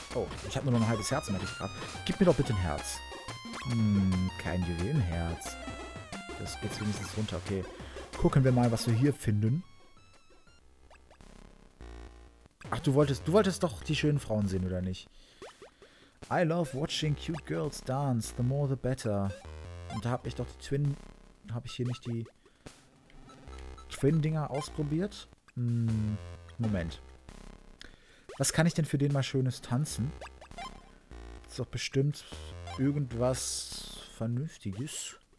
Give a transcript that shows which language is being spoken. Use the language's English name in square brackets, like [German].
[German] Oh, ich habe nur noch ein halbes Herz, merke ich gerade. Gib mir doch bitte ein Herz. Kein Juwelenherz. Das geht wenigstens runter, okay. Gucken wir mal, was wir hier finden. Ach, du wolltest doch die schönen Frauen sehen, oder nicht? [English] I love watching cute girls dance. The more, the better. [German] Und da habe ich doch die Twin... Habe ich hier nicht die... Twin-Dinger ausprobiert? Moment. Was kann ich denn für den mal Schönes tanzen? Ist doch bestimmt irgendwas Vernünftiges.